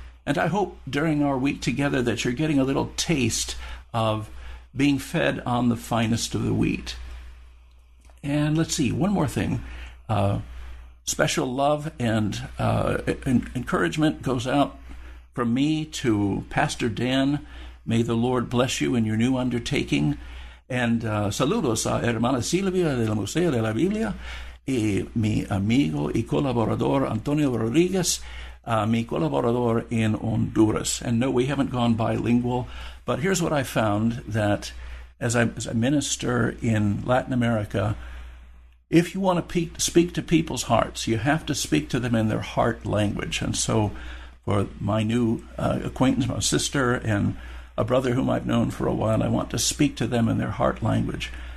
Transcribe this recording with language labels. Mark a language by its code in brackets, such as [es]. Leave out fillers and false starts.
[en] And I hope during our week together that you're getting a little taste of being fed on the finest of the wheat. And let's see, one more thing. Special love and encouragement goes out from me to Pastor Dan. May the Lord bless you in your new undertaking. [es] And saludos a hermana Silvia del Museo de la Biblia y mi amigo y colaborador Antonio Rodriguez, mi colaborador in Honduras. [en] And no, we haven't gone bilingual, but here's what I found, that as I minister in Latin America, if you want to speak to people's hearts, you have to speak to them in their heart language. And so for my new acquaintance, my sister, and a brother whom I've known for a while, I want to speak to them in their heart language.